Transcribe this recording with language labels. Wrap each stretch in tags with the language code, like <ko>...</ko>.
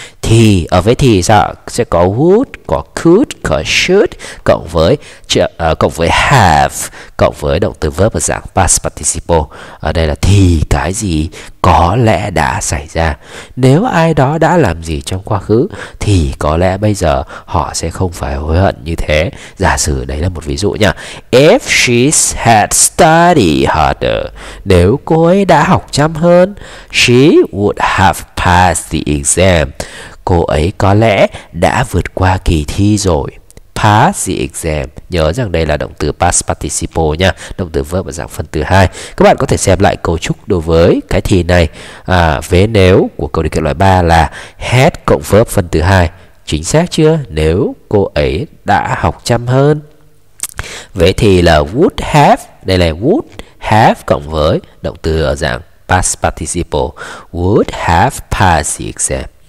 <vi>Thì ở với thì sao? Sẽ có would, có could, có should cộng với have cộng với động từ verb ở dạng past participle. Ở đây là thì cái gì có lẽ đã xảy ra. Nếu ai đó đã làm gì trong quá khứ thì có lẽ bây giờ họ sẽ không phải hối hận như thế. Giả sử đấy là một ví dụ nha.</vi> <en>If she had studied harder,</en> <vi>nếu cô ấy đã học chăm hơn,</vi> <en>she would have passed the exam.</en> <vi>Cô ấy có lẽ đã vượt qua kỳ thi rồi.</vi> <en>Pass the exam.</en> <vi>Nhớ rằng đây là động từ past participle nha. Động từ verb ở dạng phân từ 2. Các bạn có thể xem lại cấu trúc đối với cái thì này. Vế nếu của câu điều kiện loại 3 là had cộng verb phân từ 2. Chính xác chưa? Nếu cô ấy đã học chăm hơn. Vế thì là would have. Đây là would have cộng với động từ ở dạng past participle.</vi> <en>Would have passed the exam.</en>